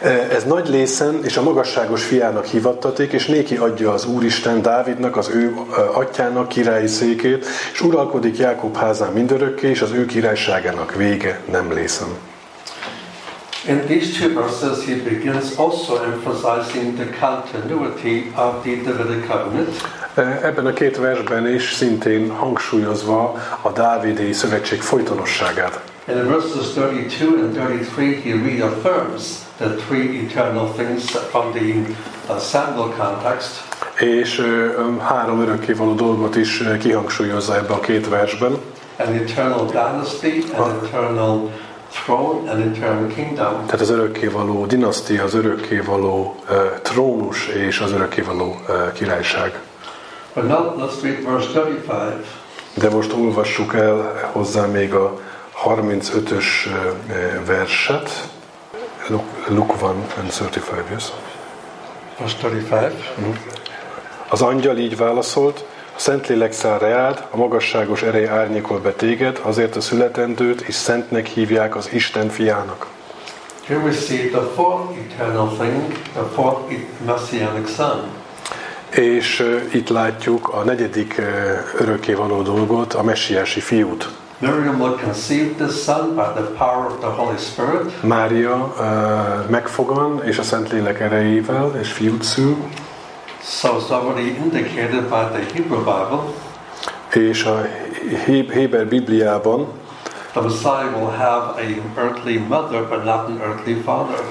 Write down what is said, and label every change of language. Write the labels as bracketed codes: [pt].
[hu] Ez nagy lészen és a magasságos fiának hivattaték, és néki adja az Úristen Dávidnak, az ő atyának királyi székét, és uralkodik Jákob házán mindörökké, és az ő királyságának vége nem lészen. [en] In these two verses he begins also emphasizing the continuity of the Davidic covenant. [hu] Ebben a két versben is szintén hangsúlyozva a dávidi szövetség folytonosságát. [en] In verses 32 and 33 he reaffirms the three eternal things from the Samuel context. [hu] És három örökkévaló dolgot is kihangsúlyozza ebbe a két versben. [en] An eternal dynasty, an eternal throne, an eternal kingdom. [hu] Tehát az örökkévaló dinasztia, az örökkévaló trónus és az örökkévaló királyság. [en] But not last week, verse 35. [hu] De most olvassuk el hozzá még a 35-ös verset. [en] Luke 1 and 35, yes? Verse 35. [hu] Az angyal így válaszolt, a Szentlélek száll reád, a magasságos ereje árnyékol be téged, azért a születendőt is szentnek hívják az Isten fiának. [en] Here we see the fourth eternal thing, the fourth messianic son. [hu] És itt látjuk a negyedik örökké való dolgot, a messiási fiút. [en] Miriam will conceive this son by the power of the Holy Spirit. [hu] Mária megfogan, és a Szentlélek erejével, és fiút szül. [en] So it's already indicated by the Hebrew Bible. [hu] És a Héber Bibliában [en] the Messiah will have an earthly mother, but not an earthly father.